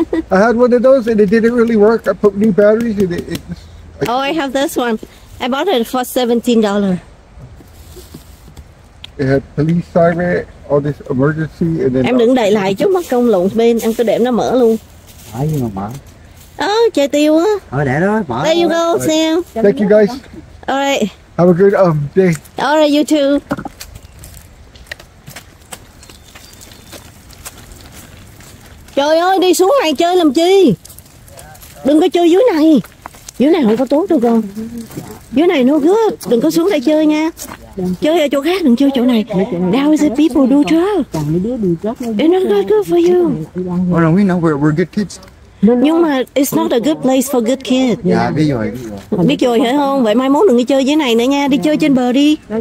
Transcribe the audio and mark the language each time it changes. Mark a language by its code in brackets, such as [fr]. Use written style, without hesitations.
[en] I had one of those and it didn't really work. I put new batteries in it. I have this one. I bought it for $17. It had police siren, all this emergency, and then. [vi] Em đừng đẩy lại chút mất công lộn bên. Em cứ để nó mở luôn. Ai nhưng mà mở. Oh, chạy tiêu á. Ở để đó. [en] There you go, right. Sam. Thank you guys. All right. Have a good day. All right, you too. [vi] Trời ơi, đi xuống này chơi làm chi? Đừng có chơi dưới này. Dưới này không có tốt đâu con. Dưới này nó gớt, đừng có xuống đây chơi nha. Chơi ở chỗ khác, đừng chơi chỗ này. [en] Now is the people do drugs. It's not good for you. Well, we know we're good kids. [vi] Nhưng mà [en] it's not a good place for good kids. [vi] Dạ, biết rồi. Biết rồi, hiểu không? Vậy mai mốt đừng đi chơi dưới này nữa nha. Đi chơi trên bờ đi.